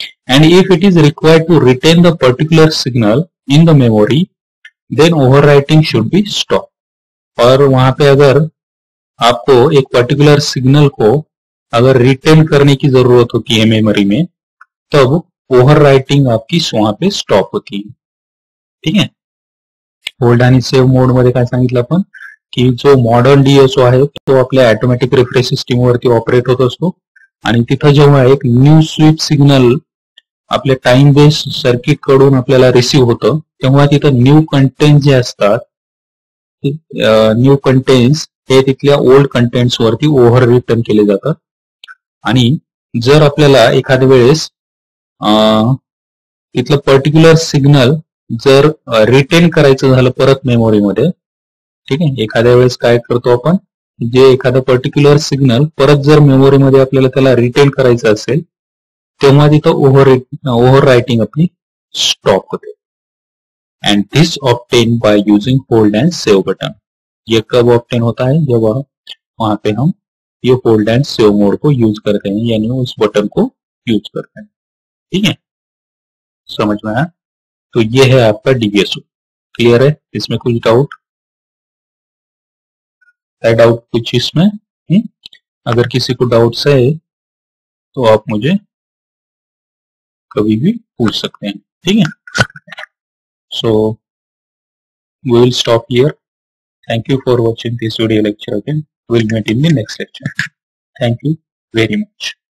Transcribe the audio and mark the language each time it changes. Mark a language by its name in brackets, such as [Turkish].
[English] And if it is required to retain the particular signal in the memory then over writing should be stop. [Hindi] और वहां पे अगर आपको एक particular signal को अगर रिटेन करने की जरूरत होती है मेमोरी में, तब ओवर राइटिंग आपकी वहां पे स्टॉप होती है, ठीक है। [Marathi] होल्ड आणि सेव्ह मोड मध्ये काय सांगितलं आपण की जो मॉडर्न डीएसओ आहे तो आपल्या ऍटोमॅटिक रिफ्रेश सिस्टीम वरती ऑपरेट होत असतो, आणि तिथं जेव्हा एक न्यू स्वीप सिग्नल आपल्या टाइम बेस्ड सर्किट कडून आपल्याला रिसीव होतं, तेव्हा तिथं न्यू कंटेंट जे असतात, न्यू कंटेंट्स हे तिथल्या ओल्ड कंटेंट्स वरती ओव्हर रिटर्न केले जातात। आणि जर आपल्याला एखाद्या वेळेस तिथलं पर्टिक्युलर सिग्नल जर रिटेन करायचं झालं परत मेमोरीमध्ये, ठीक आहे, एखाद्या वेळेस काय करतो आपण, जे एखादा पर्टिक्युलर सिग्नल परत जर मेमोरीमध्ये आपल्याला त्याला रिटेन करायचं असेल, तेव्हा तिथं ओव्हर रायटिंग आपली स्टॉप होते। [English] And this obtain by using hold and save button. [Hindi] ये कब ऑप्टेन होता है, जब वहां पे हम ये होल्ड एंड सेव मोड को यूज करते हैं, यानी उस बटन को यूज करते हैं, ठीक है, समझ में आया। तो ये है आपका डीबीएसओ, क्लियर है, इसमें कुछ डाउट है, डाउट कुछ इसमें हुँ? अगर किसी को डाउट है तो आप मुझे कभी भी पूछ सकते हैं, ठीक है। [English] So we will stop here. Thank you for watching this video lecture again. We'll meet in the next lecture. Thank you very much.